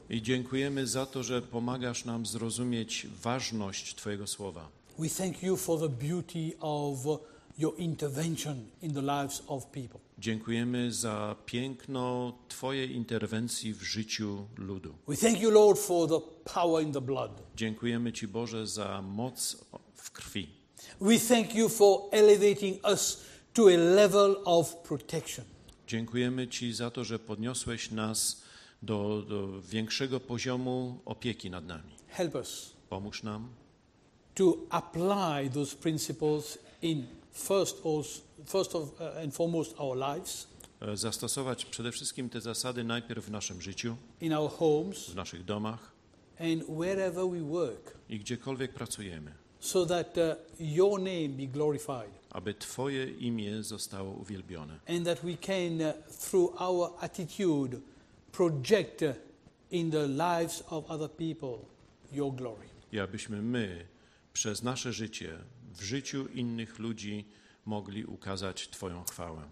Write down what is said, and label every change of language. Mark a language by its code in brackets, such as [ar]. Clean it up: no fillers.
[pl] I dziękujemy za to, że pomagasz nam zrozumieć ważność Twojego słowa. [en] We thank you for the beauty of your intervention in the lives of people. [pl] Dziękujemy za piękno Twojej interwencji w życiu ludu. [en] We thank you, Lord, for the power in the blood. [pl] Dziękujemy Ci, Boże, za moc w krwi. [en] We thank you for elevating us to a level of protection. [pl] Dziękujemy Ci za to, że podniosłeś nas do większego poziomu opieki nad nami. [en] Help us. [pl] Pomóż nam. [en] To apply those principles in first and foremost our lives. [pl] Zastosować przede wszystkim te zasady najpierw w naszym życiu. [en] In our homes. [pl] W naszych domach. [en] And wherever we work. [pl] I gdziekolwiek pracujemy. [en] So that your name be glorified. [pl] Aby Twoje imię zostało uwielbione. [en] And that we can through our attitude project in the lives of other people your glory. [pl] I abyśmy my przez nasze życie, w życiu innych ludzi, mogli ukazać Twoją chwałę.